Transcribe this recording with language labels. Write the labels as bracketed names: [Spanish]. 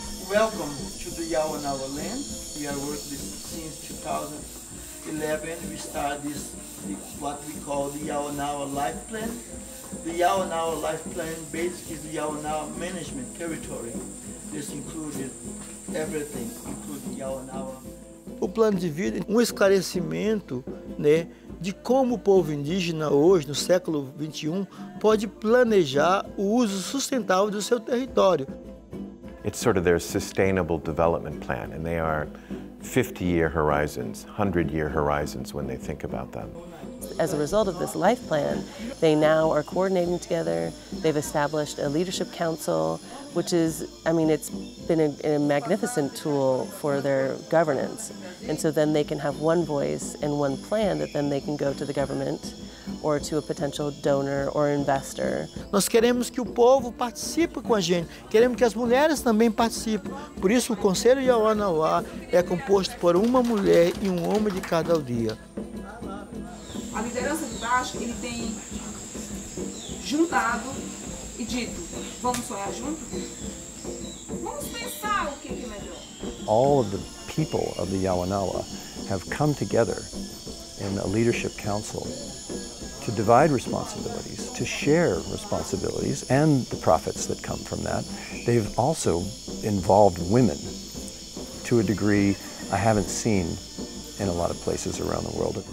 [English] Welcome to the Yawanawa land. We are working since 2011. We started this, what we call the Yawanawa Life Plan. The Yawanawa Life Plan basically is the Yawanawa management territory. This included everything, including Yawanawa. [Portuguese] O plano de vida, um esclarecimento, né, de como o povo indígena hoje, no século XXI, pode planejar o uso sustentável do seu território. [English] It's sort of their sustainable development plan, and they are 50-year horizons, 100-year horizons when they think about them. as a result of this life plan, they now are coordinating together. They've established a leadership council, which is, I mean, it's been a magnificent tool for their governance. And so then they can have one voice and one plan that then they can go to the government or to a potential donor or investor. [Portuguese] Nós queremos que o povo participe com a gente. Queremos que as mulheres também participem. Por isso, o Conselho Yawanawa é composto por uma mulher e um homem de cada aldeia. A liderança de baixo, ele tem juntado e dito, vamos sonhar juntos? Vamos pensar o que é melhor. [English] All of the people of the Yawanawa have come together in a leadership council to divide responsibilities, to share responsibilities and the profits that come from that. They've also involved women to a degree I haven't seen in a lot of places around the world.